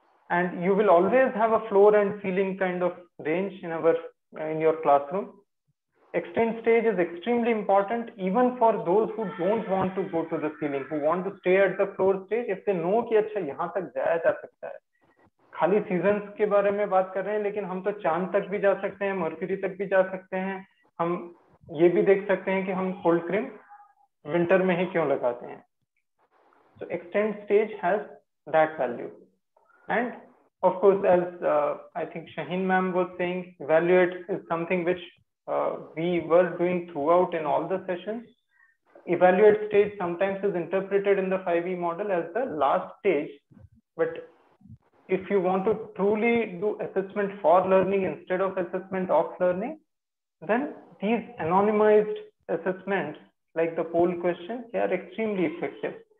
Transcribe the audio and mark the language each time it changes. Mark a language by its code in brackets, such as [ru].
[en] And you will always have a floor and ceiling kind of range in our in your classroom. Extend stage is extremely important even for those who don't want to go to the ceiling, who want to stay at the floor stage. If they know [hi] ki acha yahan tak jaya ja sakta hai. खाली seasons के बारे में बात कर रहे हैं, लेकिन हम तो चांद तक भी जा सकते हैं, मर्क्यूरी तक भी जा सकते हैं. हम ये भी देख सकते हैं कि हम कोल्ड क्रीम विंटर में ही क्यों लगाते हैं. [en] So extend stage has that value. And of course as I think Shaheen ma'am was saying, evaluate is something which we were doing throughout in all the sessions. Evaluate stage sometimes is interpreted in the 5E model as the last stage, but if you want to truly do assessment for learning instead of assessment of learning, then these anonymized assessments like the poll question, they are extremely effective.